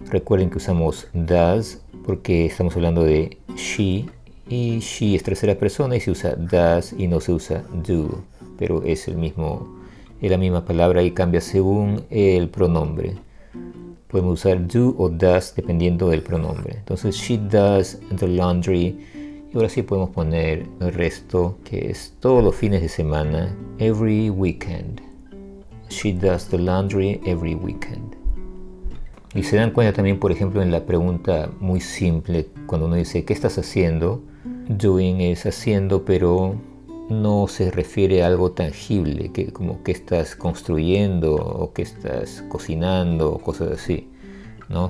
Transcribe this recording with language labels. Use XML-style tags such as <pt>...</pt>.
<es>Recuerden que usamos does porque estamos hablando de she y she es tercera persona y se usa does y no se usa do, pero es el mismo, es la misma palabra y cambia según el pronombre. Podemos usar do o does dependiendo del pronombre. Entonces,</es> <en>she does the laundry.</en> <es>Y ahora sí podemos poner el resto, que es todos los fines de semana,</es> <en>every weekend. She does the laundry every weekend.</en> <es>Y se dan cuenta también, por ejemplo, en la pregunta muy simple, cuando uno dice, ¿qué estás haciendo? Doing es haciendo, pero no se refiere a algo tangible, que como que estás construyendo o que estás cocinando o cosas así, ¿no?</es>